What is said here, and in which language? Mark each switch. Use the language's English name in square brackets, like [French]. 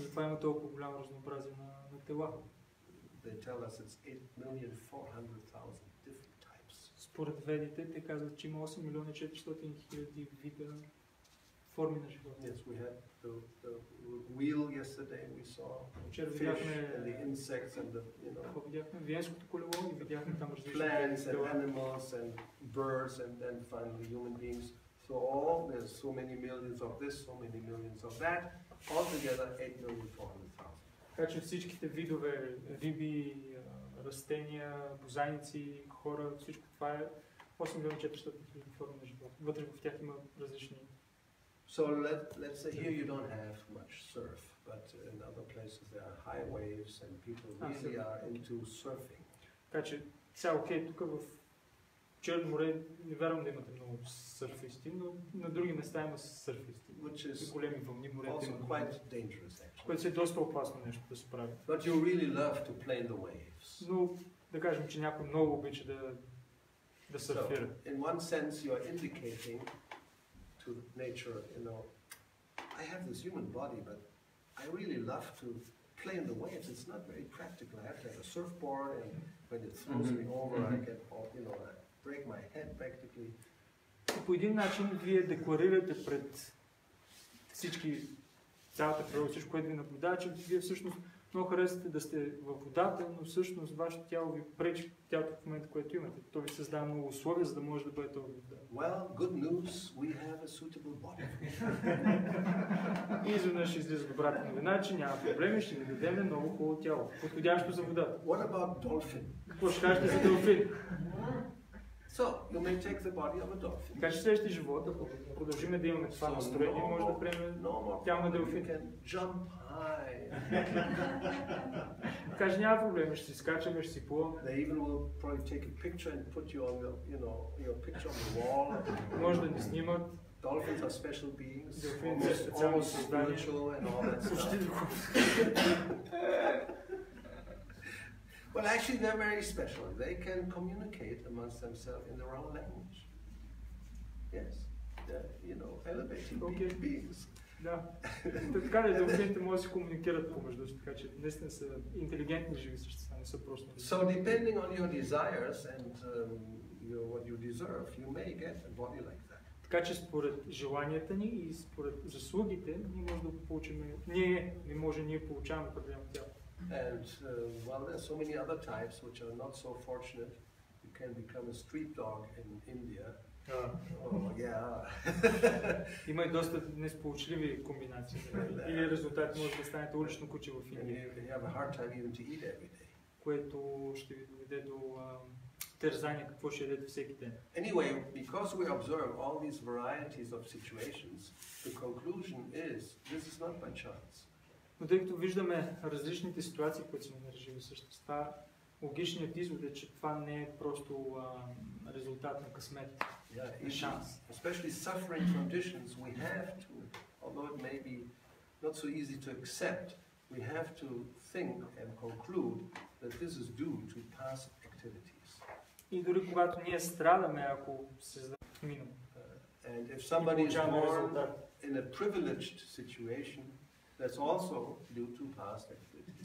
[Bulgarian] Затова има толкова голямо разнообразие на тела. [English] They tell us it's 8,400,000 different. [Bulgarian] Според ведите, те казват, че има 8 400 000 вида форми на живота. [English] Yes, we had the wheel yesterday, we saw fish and the insects and the, you know. [Bulgarian] Видяхме виенското колело и видяхме там различни. [English] Plants and animals and birds and then finally human beings. So all, there's so many millions of this, so many millions of that. Altogether 8,400,000. [Bulgarian] Така че всичките видове, риби, растения, бозайници, хора, всичко това е 8,400,000 форми на живот. Вътре в тях има различни. [English] So let's say here you don't have much surf, but in other places there are high waves and people really are into surfing. [Bulgarian] Така че сега окей, тук в Черно море не вярвам да имате много сърфисти, но на други места има сърфисти. [English] Which is [Bulgarian] и големи вълни море. [English] Also quite dangerous, actually. [Bulgarian] Което е доста опасно нещо да се прави. [English] But you really love to play in the waves. [Bulgarian] Но да кажем, че някой много обича да сърфира. [English] So, in one sense you are indicating to nature, you know, I have this human body, but I really love to play in the waves. It's not very practical. I have to have a surfboard and when it throws me over, I get all, you know, break my head practically. [Bulgarian] По един начин вие декларирате пред всички цялата природа, всичко, което ви наблюдава, че вие всъщност Много харесвате да сте във водата, но всъщност вашето тяло ви пречи тялото в момента, което имате. То ви създава много условия, за да може да бъдете във водата. [English] Well, good news, we have a suitable body. [Bulgarian] Изведнъж излиза добрата новина, че няма проблеми, ще ви дадем много хубаво тяло, подходящо за водата. [English] What about dolphin? [Bulgarian] Какво ще кажете за дълфин? [English] So, you may take the body of a dolphin. [Bulgarian] Така че следващи живота, продължим да имаме това настроение, no може да приемем тяло на дълфин. [English] You can jump high. [Bulgarian] Така че няма проблем, ще си скачаме, ще си плуваме. [English] They even will probably take a picture and put you on the, you know, your picture on the wall. [Bulgarian] Може да ни снимат. [English] Dolphins are special beings. [Bulgarian] Дълфин са специално създание. Почти духов. [English] Well, actually, they're very special. They can communicate amongst themselves in their own language. Yes, they're, you know, elevating okay. beings. [Bulgarian] Да. Така ли, дълфините може да се комуникират помежду си, така че наистина са интелигентни живи същества, не са просто... [English] So, depending on your desires and what you deserve, you may get a body like that. [Bulgarian] Така че според желанията ни и според заслугите, ние може да получим... Ние получаваме определено тяло. [English] And well, there are so many other types which are not so fortunate. You can become a street dog in India. Yeah. [Bulgarian] Има и доста несполучливи комбинации. Или резултат може да станете улично куче в Индия. [English] You have a hard time even to eat every day. [Bulgarian] Което ще ви доведе до терзания, какво ще ядете всеки ден. [English] Anyway, because we observe all these varieties of situations, the conclusion is this is not by chance. [Bulgarian] Но тъй като виждаме различните ситуации, които сме нарежили същества, логичният извод е, че това не е просто резултат на късмет, на шанс. [English] Especially suffering conditions, we have to, although it may be not so easy to accept, we have to think and conclude that this is due to past activities. [Bulgarian] И дори когато ние страдаме, ако се задаваме [English] and if somebody is born in a privileged situation, that's also due to past activities.